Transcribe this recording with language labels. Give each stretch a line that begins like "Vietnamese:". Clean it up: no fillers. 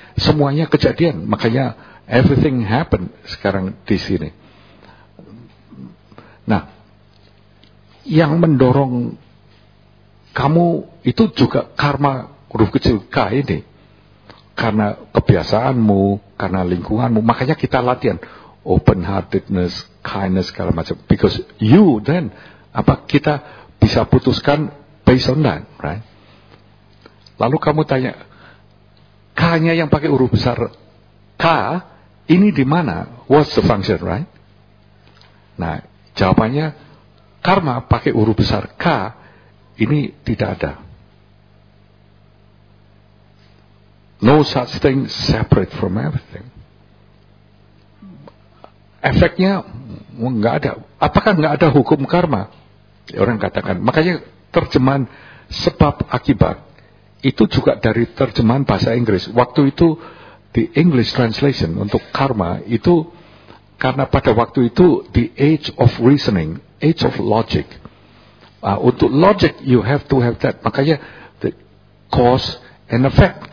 Indonesian: Semuanya kejadian, makanya
English: everything happen
Indonesian: sekarang di sini. Nah, yang mendorong kamu itu juga karma huruf kecil K ini, karena kebiasaanmu, karena lingkunganmu. Makanya kita latihan
English: open heartedness, kindness,
Indonesian: segala macam.
English: Because you then
Indonesian: apa kita bisa putuskan
English: based on that, right?
Indonesian: Lalu kamu tanya K-nya yang pakai huruf besar K ini di mana?
English: What's the function, right?
Indonesian: Nah, jawabannya karma pakai huruf besar K ini tidak ada.
English: No such thing separate from everything.
Indonesian: Efeknya enggak ada. Apakah enggak ada hukum karma? Orang katakan. Makanya terjemahan sebab akibat itu juga dari terjemahan bahasa Inggris. Waktu itu
English: the English translation
Indonesian: untuk
English: karma
Indonesian: itu karena pada waktu itu
English: the age of reasoning, age of logic.
Indonesian: Untuk
English: logic you have to have that.
Indonesian: Makanya
English: the cause and effect.